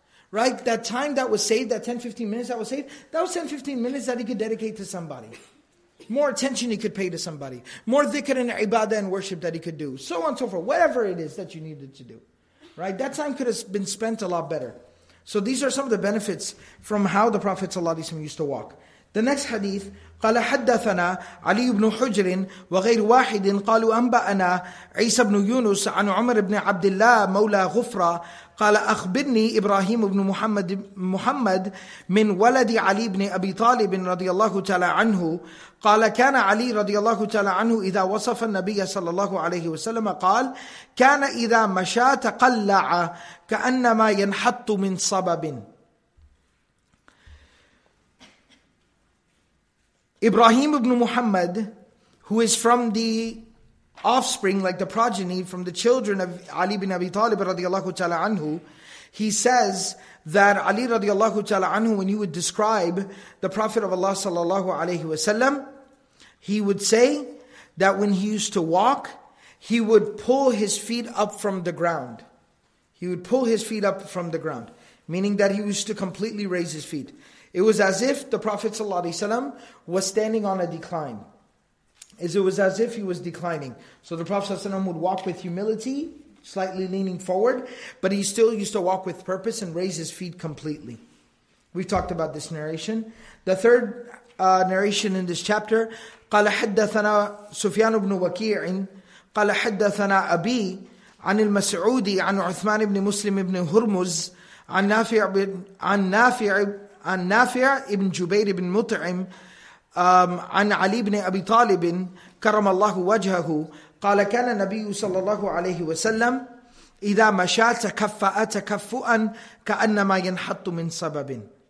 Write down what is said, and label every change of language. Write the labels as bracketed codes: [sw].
[en] Right, that time that was saved, that 10, 15 minutes that was saved, that was 10, 15 minutes that he could dedicate to somebody. More attention he could pay to somebody. More dhikr and ibadah and worship that he could do. So on and so forth. Whatever it is that you needed to do. Right, that time could have been spent a lot better. So these are some of the benefits from how the Prophet ﷺ used to walk. The next hadith, [ar] قَالَ حَدَّثَنَا عَلِيُّ بْنُ حُجْرٍ وَغَيْرُ وَاحِدٍ قَالُوا أَنْبَأَنَا عِيسَى بْنُ يُونُسَ عَنْ عُمَرِ بْنِ عَبْدِ اللَّهِ مَوْلَى غُفْرَ قال أخبرني إبراهيم بن محمد من ولد علي بن أبي طالب رضي الله تعالى عنه قال كان علي رضي الله تعالى عنه إذا وصف النبي صلى الله عليه وسلم قال كان إذا مشى تقلع كأنما ينحط من صبب. [en] إبراهيم بن محمد, who is from the offspring, like the progeny from the children of Ali bin Abi Talib radiallahu ta'ala anhu, he says that Ali radiallahu ta'ala anhu, when he would describe the Prophet of Allah sallallahu alayhi wa sallam, he would say that when he used to walk, he would pull his feet up from the ground. He would pull his feet up from the ground, meaning that he used to completely raise his feet. It was as if the Prophet sallallahu alayhi wa sallam was standing on a decline. It was as if he was declining. So the Prophet ﷺ would walk with humility, slightly leaning forward, but he still used to walk with purpose and raise his feet completely. We've talked about this narration. The third narration in this chapter, [ar] قَالَ حَدَّثَنَا سُفْيَانُ بْنُ وَكِيعٍ قَالَ حَدَّثَنَا أَبِي عَنِ الْمَسْعُودِ عَنْ عُثْمَانِ بْنِ مُسْلِمِ بْنِ هُرْمُزِ عَنْ نَافِعِ بْنِ جُبَيْرِ بْنِ مُطْعِمِ عن علي بن أبي طالب كرم الله وجهه قال كان النبي صلى الله عليه وسلم إذا مشى تكفأ تكفؤا كأنما ينحط من صبب.